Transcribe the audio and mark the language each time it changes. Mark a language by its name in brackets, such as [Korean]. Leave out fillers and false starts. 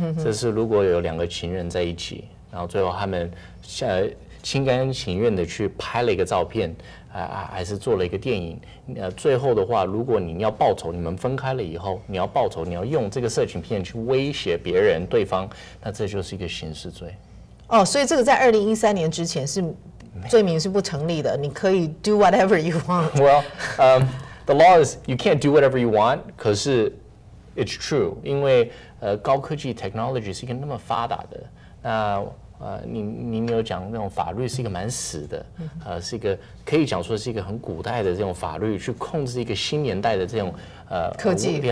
[Chinese] 这是如果有两个情人在一起，然后最后他们心甘情愿的去拍了一个照片，还是做了一个电影。最后的话，如果你要报仇，你们分开了以后，你要报仇，你要用这个色情片去威胁别人，对方，那这就是一个刑事罪。哦，所以这个在2013年之前是罪名是不成立的，你可以 [English] do whatever you want。 Well, the law is you can't do whatever you want. [Chinese] 可是 [English] it's true， [Chinese] 因为高科技 technology 是一个那么发达的，那。您有讲那种法律是一个蛮死的，是一个可以讲说是一个很古代的这种法律去控制一个新年代的这种科技